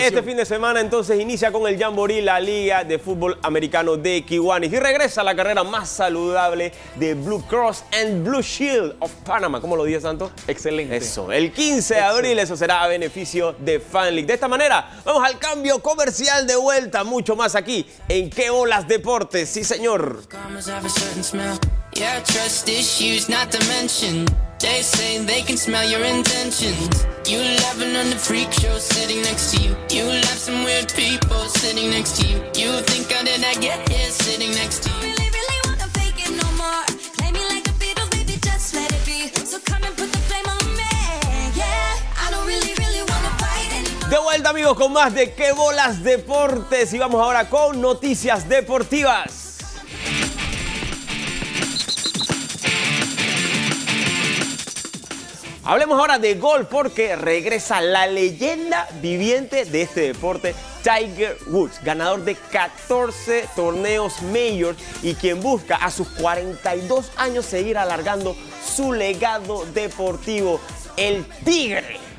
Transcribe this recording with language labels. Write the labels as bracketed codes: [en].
[es] Ya saben, este fin de semana entonces inicia con el Jamboree, la Liga de Fútbol Americano de Kiwanis. Y regresa a la carrera más saludable de Blue Cross and Blue Shield of Panama. ¿Cómo lo dije, Santo? Excelente. Eso. El 15 de abril, eso será a beneficio de FanLeague. De esta manera, vamos al cambio comercial de vuelta. Mucho más aquí en ¿Qué Bolas Deportes? Sí, señor. [en] Yeah, trust issues, not to mention. They say they can smell your intentions. You laughing on the freak show sitting next to you. You laugh some weird people sitting next to you. You think I did not get here sitting next to you. Don't really wanna fake it no more. Play me like a beetle, baby, just let it be. So come and put the flame on me. Yeah, I don't really wanna fight anymore. [es] De vuelta, amigos, con más de ¿Qué Bolas Deportes? Y vamos ahora con noticias deportivas. Hablemos ahora de golf porque regresa la leyenda viviente de este deporte, Tiger Woods, ganador de 14 torneos majors y quien busca a sus 42 años seguir alargando su legado deportivo, el Tigre.